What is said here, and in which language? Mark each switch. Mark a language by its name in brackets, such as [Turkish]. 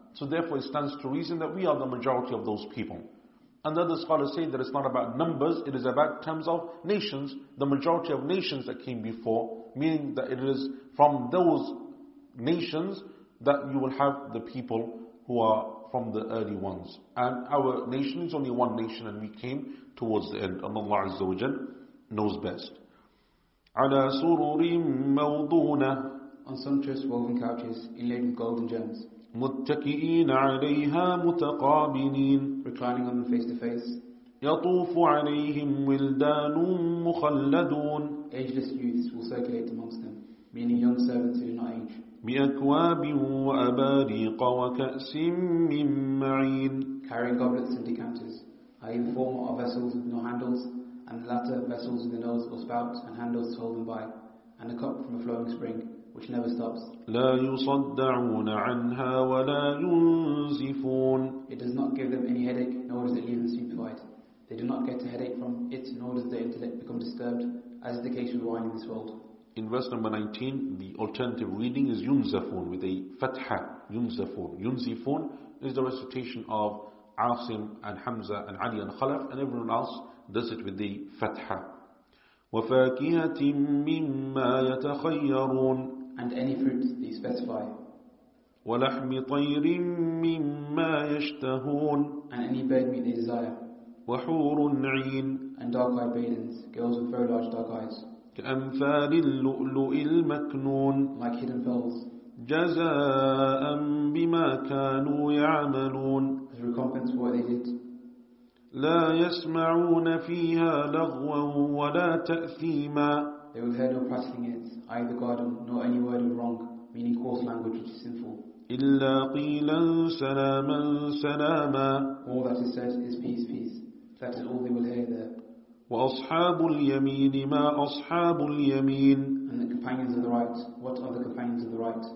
[English] So therefore it stands to reason that we are the majority of those people. And the other scholars say that it's not about numbers, it is about terms of nations, the majority of nations that came before, meaning that it is from those nations that you will have the people who are from the early ones. And our nation is only one nation and we came towards the end. And Allah Azza wa Jal knows best. [Arabic] عَلَى سُرُورٍ مَوْضُونَ [English] on sumptuous woven couches inlaid with golden gems. [Arabic] متكئين عليها متقابلين [English] reclining on them face to face [Arabic] يطوف عليهم ولدان مخلدون [English] ageless youths will circulate amongst them meaning young servants who are not aged [Arabic] بأكواب وأباريق وكأس من معين [English] carrying goblets and decanters i.e. the former are vessels with no handles and the latter vessels with a nose or spout and handles to hold them by and a cup from a flowing spring which never stops. [Arabic] لا يصدعون عنها ولا ينزفون. [English] It does not give them any headache, nor does it leave them stupefied. They do not get a headache from it, nor does their intellect become disturbed, as is the case with wine in this world. In verse number 19, the alternative reading is ينزفون with a فتحة. ينزفون. ينزفون is the recitation of عاصم and حمزة and علي and خلف, and everyone else does it with the فتحة. [Arabic] وفاكهة مما يتخيرون [English] and any fruit they specify [Arabic] ولحم طير مما يشتهون [English] and any bird meat they desire [Arabic] وحور عين [English] and dark eyed maidens girls with very large dark eyes [Arabic] كأمثال اللؤلؤ المكنون [English] like hidden pearls [Arabic] جزاء بما كانوا يعملون [English] as a recompense for what they did [Arabic] لا يسمعون فيها لغوا ولا تأثيما [English] they will hear no prattling in it either garden nor any word of wrong meaning coarse language which is sinful [Arabic] إلا قيلا سلاما سلاما [English] all that is said is peace peace that is all they will hear there [Arabic] وأصحاب اليمين ما أصحاب اليمين [English] and the companions of the right what are the companions of the right